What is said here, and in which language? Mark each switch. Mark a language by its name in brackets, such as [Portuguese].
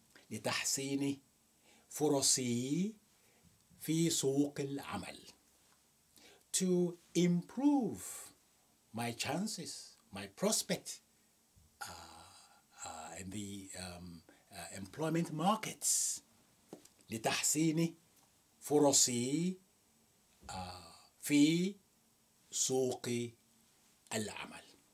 [Arabic] لتحسيني فرصي في سوق العمل. [English] To improve my chances, my prospect in the employment markets. [Arabic] لتحسيني فرصي في سوق العمل.